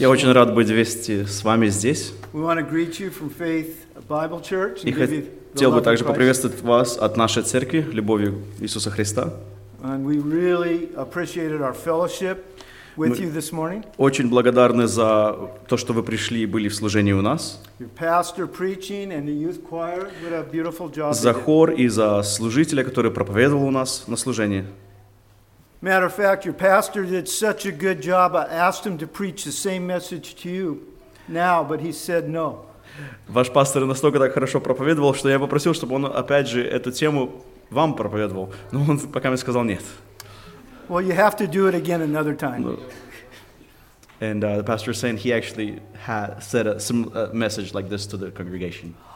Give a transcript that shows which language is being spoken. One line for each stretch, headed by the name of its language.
Russian: Я очень рад быть вместе с вами здесь.
English: We want to greet you from Faith Bible Church
Russian: and хотел бы также поприветствовать вас от нашей церкви, любовью Иисуса Христа.
English: And we really appreciated our fellowship with you this morning.
Russian: Очень благодарны за то, что вы пришли и были в служении у нас.
English: Your pastor preaching and the youth choir did a beautiful job.
Russian: За хор и за служителя, который проповедовал у нас на служении.
English: Matter of fact, your pastor did such a good job. I asked him to preach the same message to you now, but he said no.
Russian: Ваш пастор настолько так хорошо проповедовал, что я попросил, чтобы он опять же эту тему вам проповедовал, но он пока мне сказал нет.
English: Well, you have to do it again another time. And the pastor is saying he actually had said a message like this to the congregation.